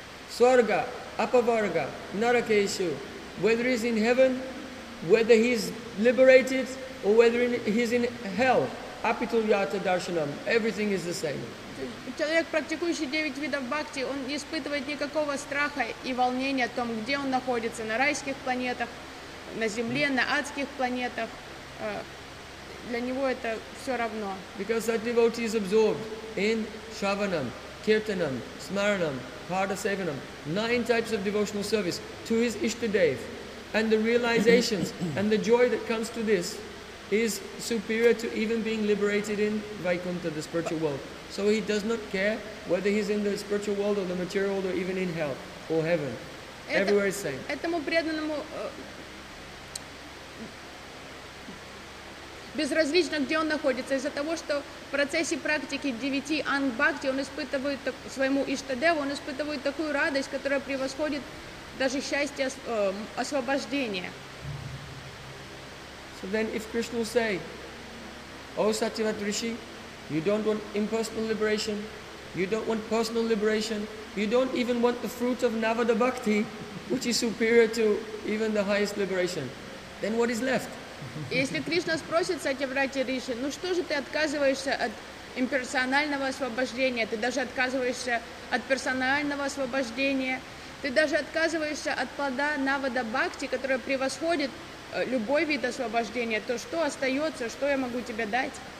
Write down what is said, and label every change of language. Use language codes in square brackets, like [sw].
[sa] Сварга, апаварга, наракейшу. [en] Whether he's in heaven, whether he's liberated, or whether he's in hell, [sa] apituliyata darshanam. [en] Everything is the same. [ru] Человек, практикующий девять видов бхакти, он не испытывает никакого страха и волнения о том, где он находится, на райских планетах, на земле, на адских планетах. Для него это все равно. [en] Because that devotee is absorbed in Shravanam, Kirtanam, Smaranam, Pada-sevanam, nine types of devotional service to his Ishtadev. And the realizations and the joy that comes to this is superior to even being liberated in Vaikuntha, the spiritual world. So he does not care whether he's in the spiritual world or the material world or even in hell or heaven. Everywhere is same. [ru] Этому преданному безразлично, где он находится, из-за того, что в процессе практики девяти анг бхакти он испытывает своему иштадеву, он испытывает такую радость, которая превосходит даже счастье освобождения. [en] So then if Krishna will say, O Satyavat Rishi, you don't want impersonal liberation, you don't want personal liberation, you don't even want the fruit of Navada bhakti, which is superior to even the highest liberation, then what is left? [ru] Если Кришна спросит Сатьяврати Риши, ну что же ты отказываешься от имперсонального освобождения, ты даже отказываешься от персонального освобождения, ты даже отказываешься от плода Навада Бхакти, которая превосходит любой вид освобождения, то что остается, что я могу тебе дать?